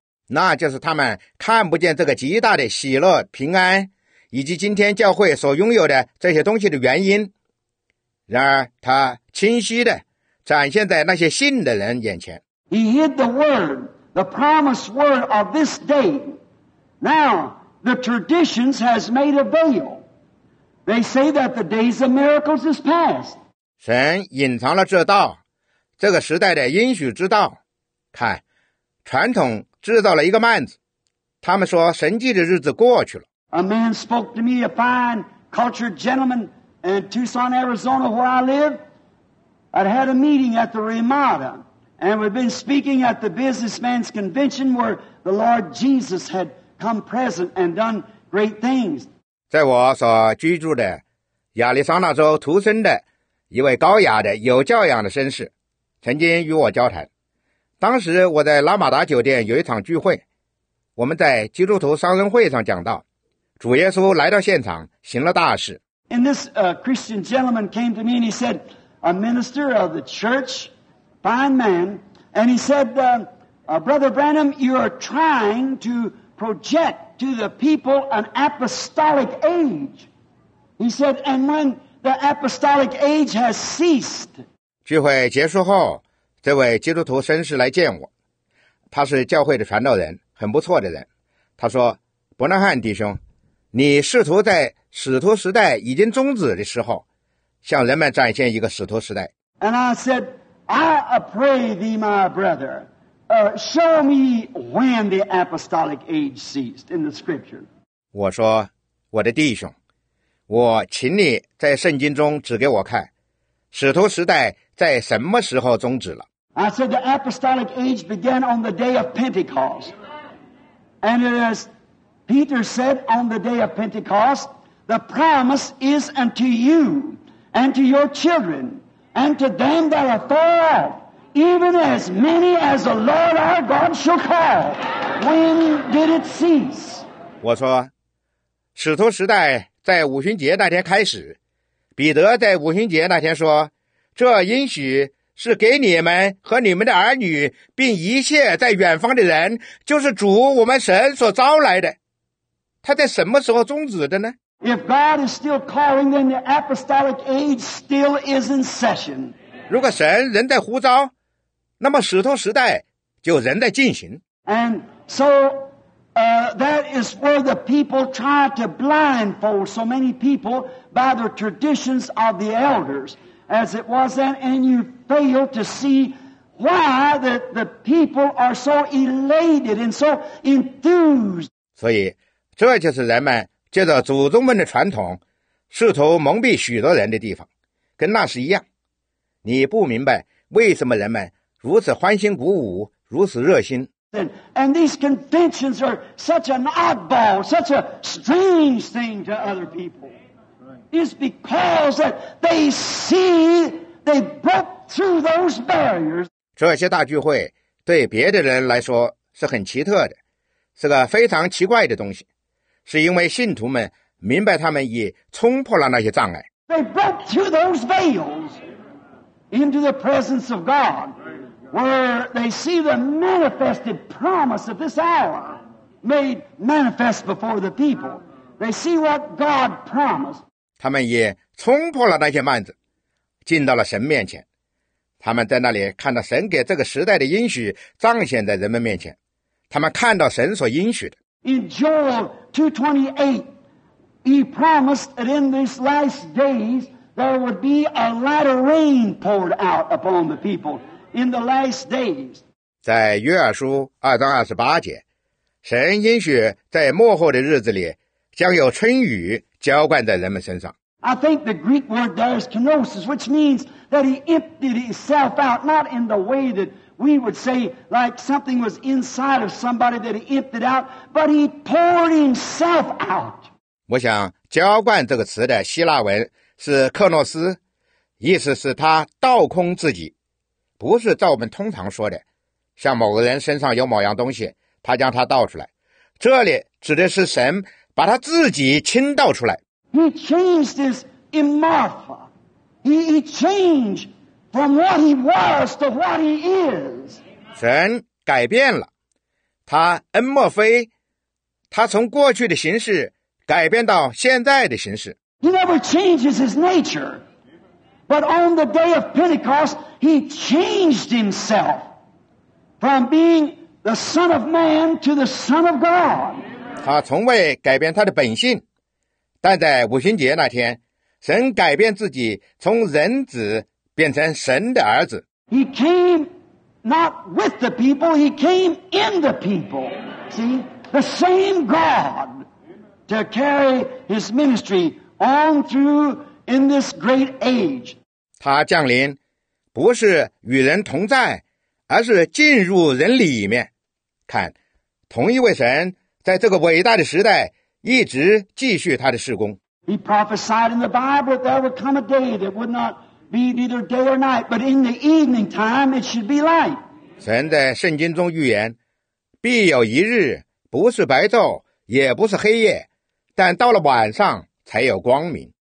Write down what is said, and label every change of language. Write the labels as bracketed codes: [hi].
[zh] 那就是他们看不见这个极大的喜乐、平安，以及今天教会所拥有的这些东西的原因。然而，他清晰地展现在那些信的人眼前。 [en] He hid the word, the promised word of this day. Now, the traditions has made a veil. They say that the days of miracles is past. [zh] 神隐藏了这道，这个时代的应许之道。看，传统制造了一个幔子，他们说神迹的日子过去了。 [en] A man spoke to me, a fine cultured gentleman in Tucson, Arizona, where I live. I'd had a meeting at the Ramada, and we'd been speaking at the businessman's convention where the Lord Jesus had come present and done great things. [zh] 在我所居住的亚利桑那州图森的一位高雅的有教养的绅士曾经与我交谈。当时我在拉马达酒店有一场聚会，我们在基督徒商人会上讲到主耶稣来到现场行了大事。 [en] And this Christian gentleman came to me and he said, a minister of the church, fine man, and he said, Brother Branham, you are trying to project to the people an apostolic age. He said, and when the apostolic age has ceased. [zh] 聚会结束后，这位基督徒绅士来见我，他是教会的传道人，很不错的人。他说，伯纳汉弟兄，你试图在使徒时代已经终止的时候向人们展现一个使徒时代。 [en] And I said, I pray thee, my brother, show me when the apostolic age ceased in the scripture. [zh] 我说，我的弟兄，我请你在圣经中指给我看，使徒时代在什么时候终止了。 [en] I said, the apostolic age began on the day of Pentecost. And it is, Peter said, on the day of Pentecost, the promise is unto you. And to your children, and to them that are far off, even as many as the Lord our God shall call. When did it cease? [zh] 我说，使徒时代在五旬节那天开始。彼得在五旬节那天说，这应许是给你们和你们的儿女，并一切在远方的人，就是主我们神所招来的。他在什么时候终止的呢？ [en] If God is still calling, then the apostolic age still is in session. [zh] 如果神仍在呼召，那么使徒时代就仍在进行。 [en] And so, that is where the people try to blindfold so many people by the traditions of the elders, as it was then, and you fail to see why that the people are so elated and so enthused. [zh] 所以，这就是人们借着祖宗们的传统试图蒙蔽许多人的地方，跟那时一样。你不明白为什么人们如此欢欣鼓舞，如此热心。 [en] And these conventions are such an oddball, such a strange thing to other people. It's because that they see they broke through those barriers. [zh] 这些大聚会对别的人来说是很奇特的，是个非常奇怪的东西，是因为信徒们明白他们已冲破了那些障碍。 [en] They broke through those veils into the presence of God, where they see the manifested promise of this hour made manifest before the people. They see what God promised. [zh] 他们也冲破了那些幔子，进到了神面前。他们在那里看到神给这个时代的应许彰显在人们面前。他们看到神所应许的。 [en] In Joel 2:28, he promised that in these last days there would be a latter rain poured out upon the people in the last days. [zh] 在约珥书2:28节，神应许在末后的日子里将有春雨浇灌在人们身上。 [en] I think the Greek word there is kenosis, which means that he emptied himself out, not in the way that we would say, like something was inside of somebody that he emptied out, but he poured himself out. [zh] 我想浇灌这个词的希腊文是克诺斯，意思是他倒空自己，不是照我们通常说的像某个人身上有某样东西他将它倒出来。这里指的是神把他自己倾倒出来。 [en] He changed his imago. He changed from what he was to what he is. [zh] 神改变了，他恩莫非，他从过去的形式改变到现在的形式。 [en] He never changes his nature, but on the day of Pentecost, he changed himself from being the Son of Man to the Son of God. [zh] 他从未改变他的本性，但在五旬节那天，神改变自己，从人子变成神的儿子。 [en] He came not with the people, he came in the people. See, the same God to carry his ministry on through in this great age. [zh] 他降临，不是与人同在，而是进入人里面。看，同一位神在这个伟大的时代一直继续他的事工。 [en] He prophesied in the Bible that there would come a day that would not be neither day or night, but in the evening time it should be light. [zh] 神在圣经中预言，必有一日，不是白昼，也不是黑夜，但到了晚上才有光明。